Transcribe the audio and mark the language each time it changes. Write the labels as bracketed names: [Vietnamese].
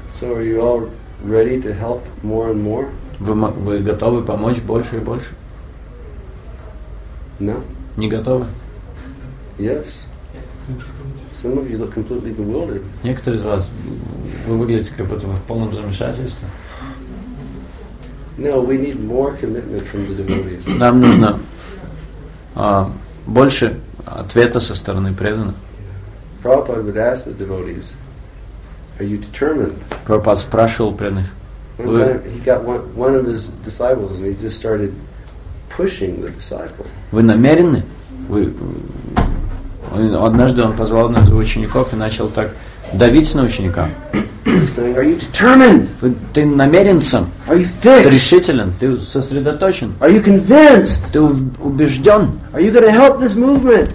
[Russian] Вы готовы помочь больше и больше? [English] No. [Russian] Не готовы? [English] Yes. Some of you look completely bewildered. [Russian] Некоторые из вас вы выглядите как будто вы в полном замешательстве. [English] No, we need more commitment from the devotees. [Russian] Нам нужно больше ответа со стороны преданных. [English] Prabhupada would ask the devotees, "Are you determined?" [Russian] Прабхупада спрашивал преданных. [English] He got one of his disciples, and he just started pushing the disciple. [Russian] Вы намерены? Однажды он позвал одного из учеников и начал так давить на ученика. [English] Saying, are you determined? [Russian] Ты намерен сам? [English] Are you fixed? [Russian] Ты решителен? Ты сосредоточен? [English] Are you convinced? [Russian] Ты убежден? [English] Are you going to help this movement?